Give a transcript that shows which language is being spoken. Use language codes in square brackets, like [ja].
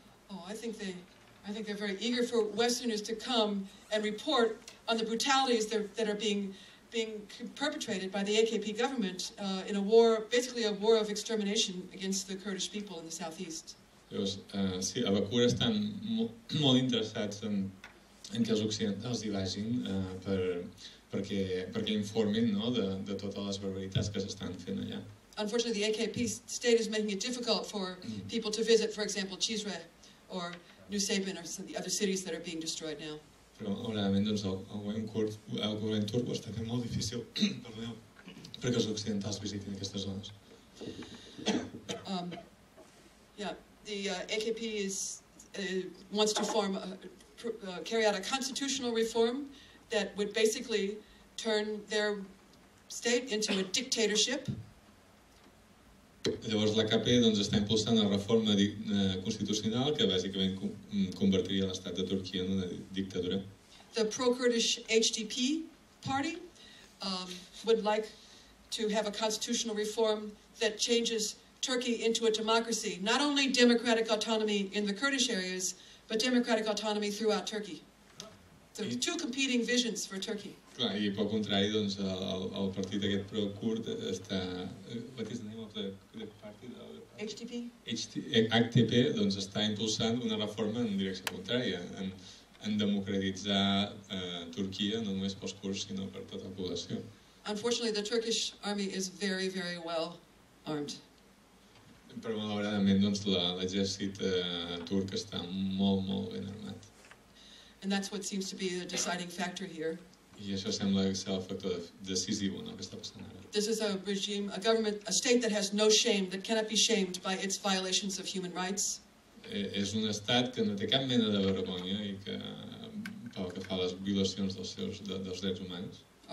[en] Oh, I think they're very eager for Westerners to come and report on the brutalities that are being perpetrated by the AKP government in a war, basically a war of extermination against the Kurdish people in the southeast. [ca] Llavors, sí, a Bakur estan molt interessats en que els occidentals hi vagin perquè informin, no, de totes les barbaritats que s'estan fent allà. [en] Unfortunately, the AKP state is making it difficult for people to visit, for example, Cizre or Nusaybin or some of the other cities that are being destroyed now. [ca] Però, realment, doncs, el govern turc ho està fent molt difícil, perdoneu, perquè els occidentals visitin aquestes zones. [en] The AKP wants to carry out a constitutional reform that would basically turn their state into a dictatorship. [ca] Llavors, l'AKP, doncs, està impulsant la reforma constitucional que bàsicament convertiria l'estat de Turquia en una dictadura. [en] The pro-Kurdish HDP party would like to have a constitutional reform that changes Turkey into a democracy, not only democratic autonomy in the Kurdish areas, but democratic autonomy throughout Turkey. So, two competing visions for Turkey. [ca] Clar, i pel contrari, doncs, el partit aquest pro-kurd està... [en] What is the name of the party? HDP? [ca] HDP, doncs, està impulsant una reforma en direcció contrària, en democratitzar Turquia, no només pels kurds, sinó per tota la població. [en] Unfortunately, the Turkish army is very, very well armed. [ca] Però, malauradament, doncs, l'exèrcit turc està molt, molt ben armat. [en] And that's what seems to be the deciding factor here. [ca] I això sembla que serà el factor decisiu, no, que està passant ara. [en] This is a regime, a government, a state that has no shame, that cannot be shamed by its violations of human rights. [ca] És un estat que no té cap mena de vergonya i que, pel que fa a les violacions dels drets humans.